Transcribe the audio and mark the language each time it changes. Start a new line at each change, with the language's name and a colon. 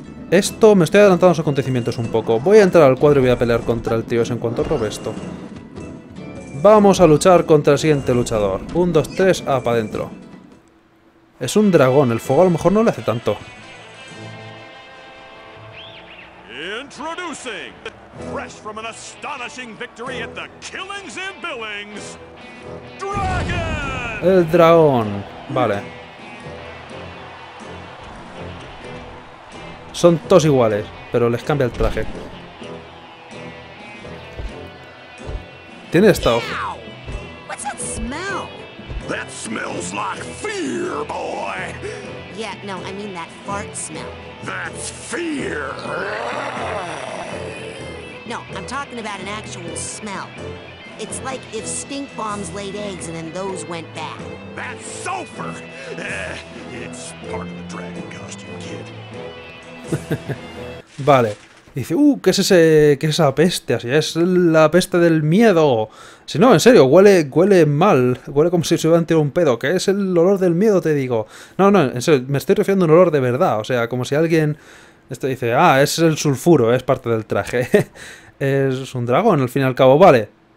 Spanish: Esto... Me estoy adelantando los acontecimientos un poco. Voy a entrar al cuadro y voy a pelear contra el tío ese en cuanto robe esto. Vamos a luchar contra el siguiente luchador. 1, 2, 3, para adentro. Es un dragón. El fuego a lo mejor no le hace tanto.
English: Introducing... Fresh from an astonishing victory at the Killings and Billings, Dragon.
Spanish: El dragón, vale. Son todos iguales, pero les cambia el traje. Tiene esto.
English: What's that smell? That smells like fear, boy. Yeah, no, I mean that fart smell. That's fear. No, I'm talking about an actual smell. It's like if stink bombs laid eggs and then those went bad. That's sulfur! It's part of the dragon costume, kid.
Spanish: Vale. Dice, ¿qué es ese, qué es esa peste? Así es, la peste del miedo. Si no, en serio, huele mal. Huele como si se hubieran tirado un pedo. ¿Qué es el olor del miedo, te digo? No, no, en serio, me estoy refiriendo a un olor de verdad. O sea, como si alguien... Esto dice, es el sulfuro, es parte del traje. Es un dragón, al fin y al cabo, vale.